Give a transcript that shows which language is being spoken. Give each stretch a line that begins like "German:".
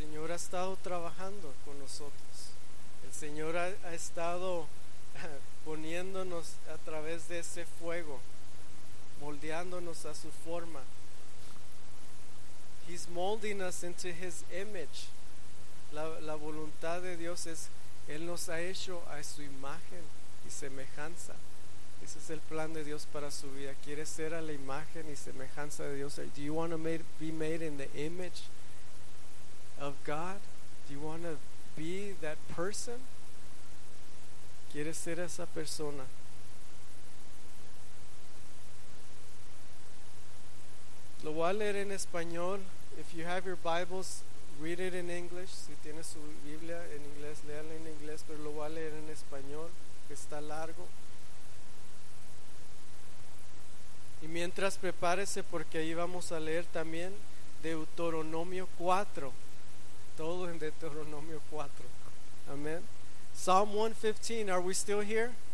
Spanish: Ha estado trabajando con nosotros. El Señor ha estado poniéndonos a través de ese fuego, moldeándonos a su forma.
English: He's molding us into His image.
Spanish: La voluntad de Dios es, Él nos ha hecho a su imagen y semejanza. Ese es el plan de Dios para su vida. Quiere ser a la imagen y semejanza de Dios.
English: Do you want to be made in the image of God? Do you want to be that person?
Spanish: ¿Quieres ser esa persona? Lo voy a leer en español.
English: If you have your Bibles, read it in English.
Spanish: Si tienes su Biblia en inglés, léala en inglés, pero lo voy a leer en español, que está largo. Y mientras, prepárese, porque ahí vamos a leer también Deuteronomio 4. Todo en Deuteronomio 4. Amén.
English: Psalm 115, are we still here?